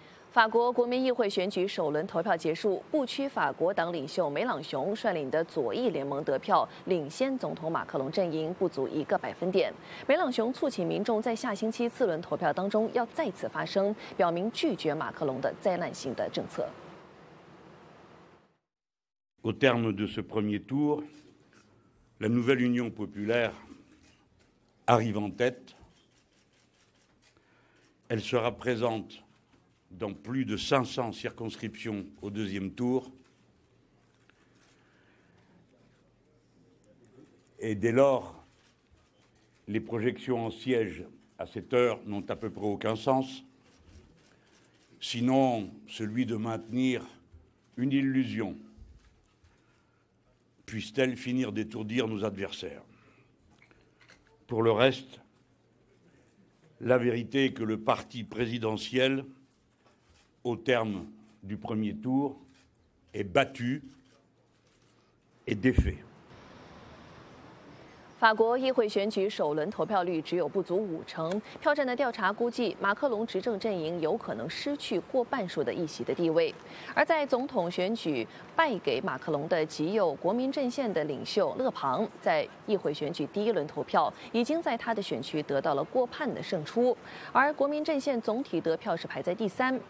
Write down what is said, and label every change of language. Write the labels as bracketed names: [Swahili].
[Chinese] 法国国民议会选举首轮投票结束，不屈法国党领袖梅朗雄率领的左翼联盟得票领先总统马克龙阵营不足1%。梅朗雄促请民众在下星期次轮投票当中要再次发声，表明拒绝马克龙的灾难性的政策。 [French] Au terme de ce premier tour, la nouvelle Union populaire arrive en tête. Elle sera présente. Dans plus de 500 circonscriptions au deuxième tour. Et dès lors, les projections en siège à cette heure n'ont à peu près aucun sens, sinon celui de maintenir une illusion. Puisse-t-elle finir d'étourdir nos adversaires ? Pour le reste, la vérité est que le parti présidentielau terme du premier tour, est battu et défait. [Chinese] 法国议会选举首轮投票率只有不足五成，票站的调查估计马克龙执政阵营有可能失去过半数的议席的地位。而在总统选举败给马克龙的极右国民阵线的领袖勒庞，在议会选举第一轮投票已经在他的选区得到了过半的胜出，而国民阵线总体得票是排在第三。